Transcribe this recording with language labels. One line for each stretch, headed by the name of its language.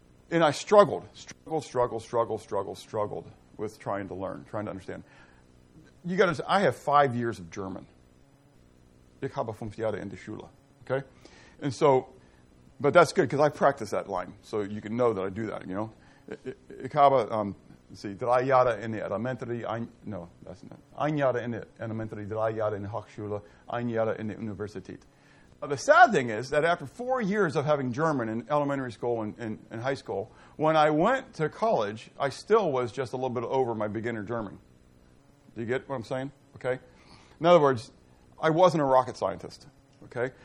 English: And I struggled with trying to learn, trying to understand. You got to say, I have 5 years of German.
German: Ich habe 5 Jahre in der Schule.
English: Okay? And so, but that's good because I practice that line. So you can know that I do that, you know?
German: Ich habe, drei Jahre in der Elementary, ein Jahr in der Elementary, drei Jahre in der Hochschule, ein Jahr in der Universität.
English: Now, the sad thing is that after 4 years of having German in elementary school and in high school, when I went to college, I still was just a little bit over my beginner German. Do you get what I'm saying? Okay. In other words, I wasn't a rocket scientist. Okay.